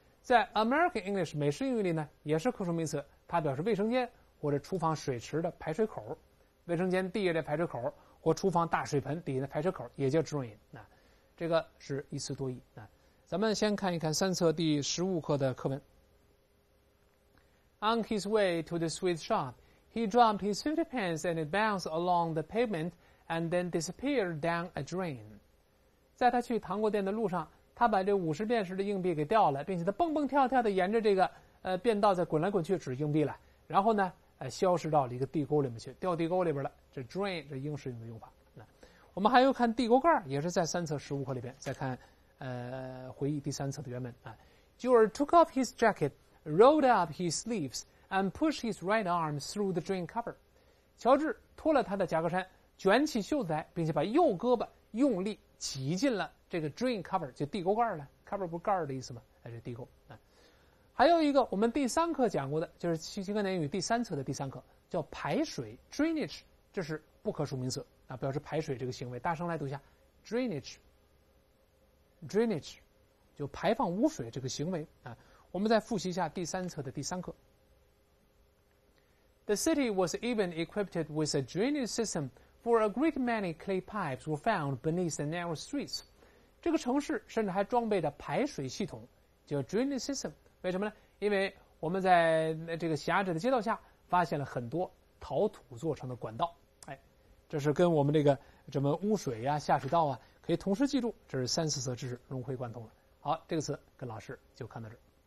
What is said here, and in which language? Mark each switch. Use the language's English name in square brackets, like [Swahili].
[Chinese] 在 American English 美式英语里呢，也是可数名词，它表示卫生间或者厨房水池的排水口，卫生间地下的排水口或厨房大水盆底下的排水口也叫 drain 啊。这个是一词多义啊。咱们先看一看三册第十五课的课文。 [English] On his way to the sweet shop. He dropped his 50 pence and it bounced along the pavement and then disappeared down a drain. [Chinese] 在他去糖果店的路上，他把这五十便士的硬币给掉了，并且他蹦蹦跳跳的沿着这个便道在滚来滚去，只是硬币了。然后呢，消失到了一个地沟里面去，掉地沟里边了。这 drain 这英式用的用法。我们还要看地沟盖，也是在三册十五课里边。再看回忆第三册的原文啊。 [English] George took off his jacket, rolled up his sleeves. And push his right arm through the drain cover. [Chinese] 乔治脱了他的夹克衫，卷起袖子来，并且把右胳膊用力挤进了这个 drain cover， 就地沟盖了。cover 不是盖的意思吗？还是地沟啊？还有一个我们第三课讲过的，就是新课内语第三册的第三课，叫排水 drainage， 这是不可数名词啊，表示排水这个行为。大声来读一下 drainage， 就排放污水这个行为啊。我们再复习一下第三册的第三课。 [English] The city was even equipped with a drainage system, for a great many clay pipes were found beneath the narrow streets. [Chinese] 这个城市甚至还装备着排水系统，叫 drainage system。为什么呢？因为我们在这个狭窄的街道下发现了很多陶土做成的管道。哎，这是跟我们这个什么污水呀、下水道啊，可以同时记住。这是三四册知识融会贯通了。好，这个词跟老师就看到这儿。